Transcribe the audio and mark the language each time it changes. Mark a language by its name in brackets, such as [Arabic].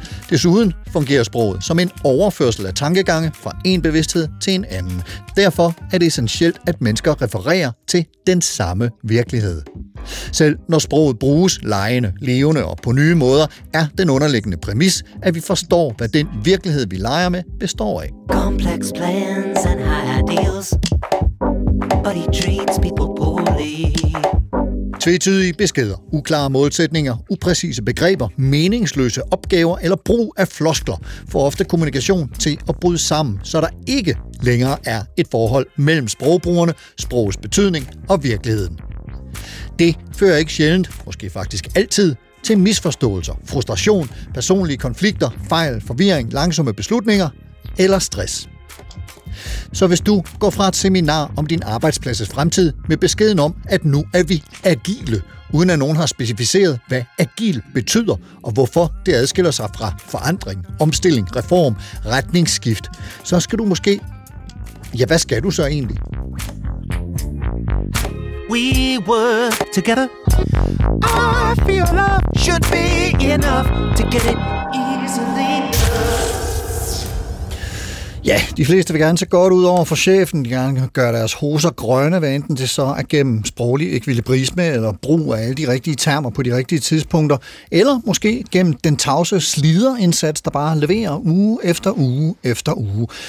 [Danish] Desuden fungerer sproget som en overførsel af tankegange fra en bevidsthed til en anden. Derfor er det essentielt, at mennesker refererer til den samme virkelighed. Selv når sproget bruges lejende, levende og på nye måder, er den underliggende præmis, at vi forstår, hvad den virkelighed, vi leger med, består af. [English] Complex plans and high ideals, but he treats people poorly. [Danish] Tvetydige beskeder, uklare målsætninger, upræcise begreber, meningsløse opgaver eller brug af floskler får ofte kommunikation til at bryde sammen, så der ikke længere er et forhold mellem sprogbrugerne, sprogets betydning og virkeligheden. Det fører ikke sjældent, måske faktisk altid, til misforståelser, frustration, personlige konflikter, fejl, forvirring, langsomme beslutninger eller stress. Så hvis du går fra et seminar om din arbejdspladses fremtid med beskeden om, at nu er vi agile, uden at nogen har specificeret, hvad agil betyder og hvorfor det adskiller sig fra forandring, omstilling, reform, retningsskift, så skal du måske... Ja, hvad skal du så egentlig? [English] We work together. I feel love should be enough to get it easily. [Danish] Ja, de fleste vil gerne se godt ud over for chefen. De gerne gøre deres hoser grønne, hvad enten det så er gennem sproglig ekvilibrisme eller brug af alle de rigtige termer på de rigtige tidspunkter. Eller måske gennem den tavse sliderindsats, der bare leverer uge efter uge efter uge.